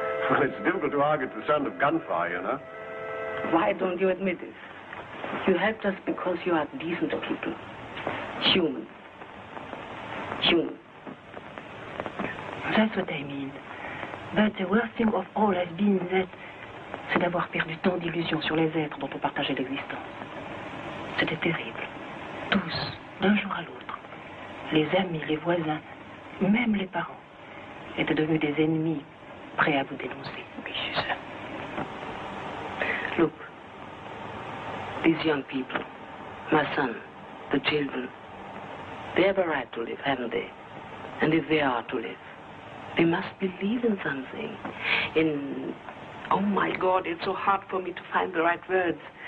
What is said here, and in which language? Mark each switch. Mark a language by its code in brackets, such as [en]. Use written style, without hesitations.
[en] Well, it's difficult to argue the sound of gunfire, you know. Why don't you admit this? You helped us because you are decent people. Human. Human. That's what I mean. But the worst thing of all has been that... [fr] c'est d'avoir perdu tant d'illusions sur les êtres dont on partageait l'existence. C'était terrible. Tous, d'un jour à l'autre. Les amis, les voisins, même les parents, étaient devenus des ennemis prêts à vous dénoncer. Oui, c'est ça. [en] Look. These young people, my son, the children, they have a right to live, haven't they? And if they are to live, they must believe in something. In... oh, my God, it's so hard for me to find the right words.